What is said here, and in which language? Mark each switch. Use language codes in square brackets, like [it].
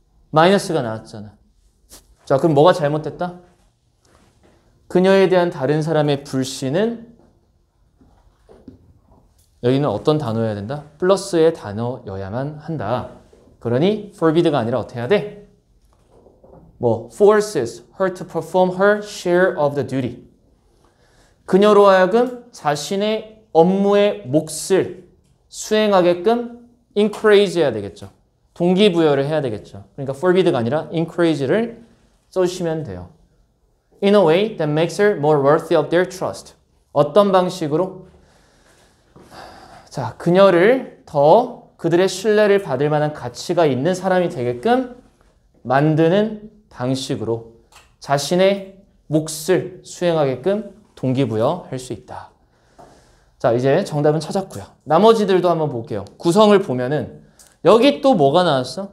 [ko] 마이너스가 나왔잖아. 자, 그럼 뭐가 잘못됐다? 그녀에 대한 다른 사람의 불신은 여기는 어떤 단어여야 된다? 플러스의 단어여야만 한다. 그러니 forbid가 아니라 어떻게 해야 돼? [en] 뭐 forces her to perform her share of the duty. [ko] 그녀로 하여금 자신의 업무의 몫을 수행하게끔 encourage 해야 되겠죠. 동기부여를 해야 되겠죠. 그러니까 forbid가 아니라 encourage를 써주시면 돼요. [en] In a way that makes her more worthy of their trust. [ko] 어떤 방식으로? 자, 그녀를 더 그들의 신뢰를 받을 만한 가치가 있는 사람이 되게끔 만드는 방식으로 자신의 몫을 수행하게끔 동기부여할 수 있다. 자, 이제 정답은 찾았고요. 나머지들도 한번 볼게요. 구성을 보면은 여기 또 뭐가 나왔어?